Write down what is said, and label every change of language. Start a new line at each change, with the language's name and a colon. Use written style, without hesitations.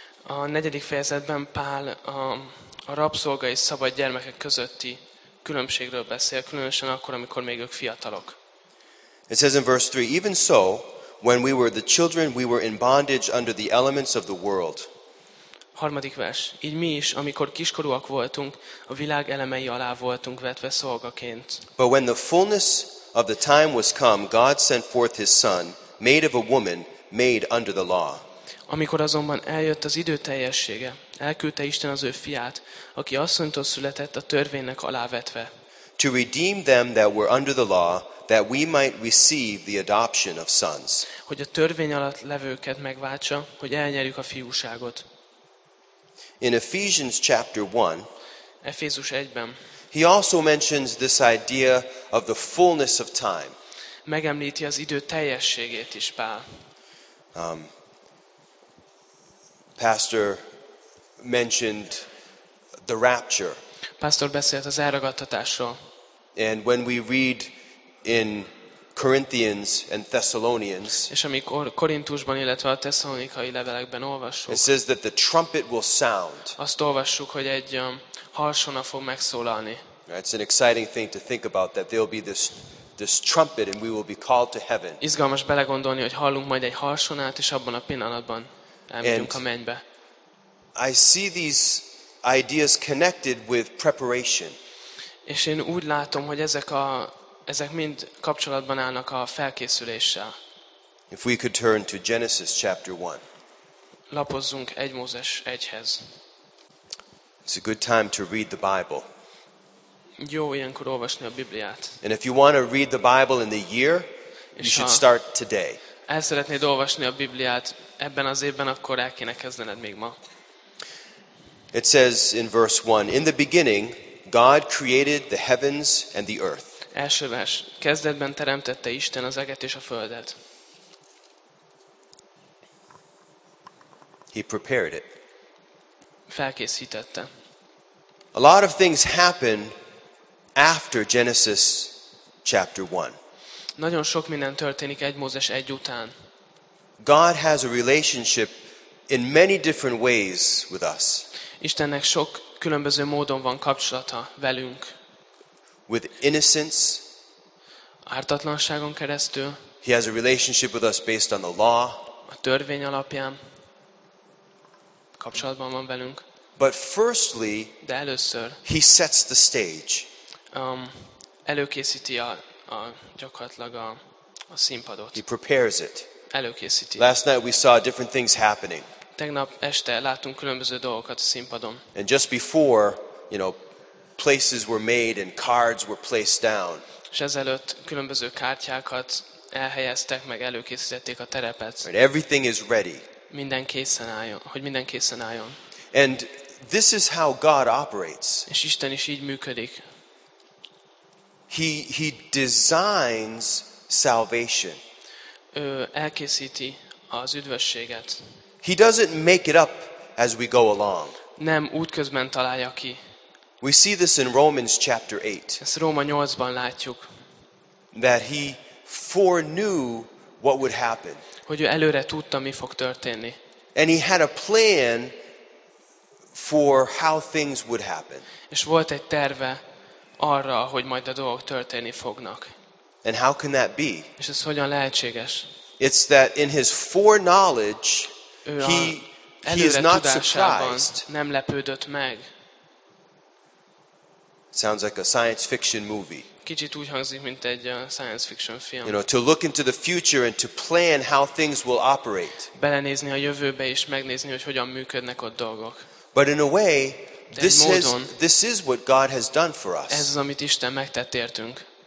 Hungarian: A negyedik fejezetben Pál a rabszolga és szabad gyermekek közötti különbségről beszél, különösen akkor, amikor még ők fiatalok.
English: It says in verse 3, even so, when we were the children, we were in bondage under the elements of the world.
Hungarian: Harmadik vers. Így mi is, amikor kiskorúak voltunk, a világ elemei alá voltunk vetve szolgaként.
English: But when the fullness of the time was come, God sent forth his son, made of a woman, made under the law.
Hungarian: Amikor azonban eljött az idő teljessége, elküldte Isten az ő fiát, aki asszonytól született a törvénynek alávetve.
English: To redeem them that were under the law, that we might receive the adoption of sons.
Hungarian: Hogy a törvény alatt levőket megváltsa, hogy elnyerjük a fiúságot.
English: In Ephesians chapter 1,
Hungarian: Efézus 1-ben,
English: he also mentions this idea of the fullness of time.
Hungarian: Megemlíti az idő teljességét is Pál.
English: Pastor mentioned the rapture.
Hungarian: Pastor beszélt az elragadtatásról.
English: And when we read in Corinthians and Thessalonians,
Hungarian: és amikor Korintusban, illetve a tesszalonikai levelekben olvassuk,
English: it says that the trumpet will sound.
Hungarian: Azt olvassuk, hogy egy harsona fog megszólalni.
English: It's an exciting thing to think about that there'll be this trumpet and we will be called to heaven.
Hungarian: Izgalmas belegondolni, hogy hallunk majd egy harsonát, és abban a pillanatban elmegyünk a mennybe.
English: I see these ideas connected with preparation.
Hungarian: És én úgy látom, hogy ezek mind kapcsolatban állnak a felkészüléssel.
English: If we could turn to Genesis chapter 1.
Hungarian: Lapozzunk 1 Mózes 1-hez.
English: It's a good time to read the Bible.
Hungarian: Jó ilyenkor olvasni a Bibliát.
English: And if you want to read the Bible in the year, you should start today.
Hungarian: El szeretnéd olvasni a Bibliát ebben az évben, akkor el kéne kezdened még ma.
English: It says in verse 1, in the beginning God created the heavens and the earth.
Hungarian: Első vers. Kezdetben teremtette Isten az eget és a földet.
English: He prepared it.
Hungarian: Felkészítette.
English: A lot of things happen after Genesis chapter 1.
Hungarian: Nagyon sok minden történik 1 Mózes 1 után.
English: God has a relationship in many different ways with us.
Hungarian: Istennek sok különböző módon van kapcsolata velünk.
English: With innocence.
Hungarian: Ártatlanságon keresztül.
English: He has a relationship with us based on the law.
Hungarian: A törvény alapján kapcsolatban van velünk.
English: But firstly,
Hungarian: de először,
English: he sets the stage.
Hungarian: Előkészíti a gyakorlatilag a színpadot.
English: He prepares it.
Hungarian: Előkészíti.
English: Last night we saw different things happening.
Hungarian: Tegnap este láttunk különböző dolgokat a színpadon.
English: And just before, you know, places were made and cards were placed down.
Hungarian: És ezelőtt különböző kártyákat elhelyeztek, meg előkészítették a terepet.
English: And everything is ready.
Hungarian: Minden készen álljon, hogy minden készen álljon.
English: And this is how God operates.
Hungarian: És Isten is így működik.
English: He designs salvation.
Hungarian: Ő elkészíti az üdvösséget.
English: He doesn't make it up as we go along.
Hungarian: Nem útközben találja ki.
English: We see this in Romans chapter 8.
Hungarian: Ezt Róma 8-ban látjuk.
English: That he foreknew what would happen.
Hungarian: Hogy ő előre tudta, mi fog történni.
English: And he had a plan for how things would happen.
Hungarian: És volt egy terve arra, hogy majd a dolgok történni fognak.
English: And how can that be?
Hungarian: És ez hogyan lehetséges?
English: It's that in his foreknowledge, he is not surprised.
Hungarian: Nem lepődött meg.
English: Sounds like a science fiction movie.
Hungarian: Kicsit úgy hangzik, mint egy science fiction film.
English: You know, to look into the future and to plan how things will operate.
Hungarian: Belenézni a jövőbe és megnézni, hogy hogyan működnek ott dolgok.
English: But in a way, this is what God has done for us.
Hungarian: Ez az, amit Isten megtett értünk.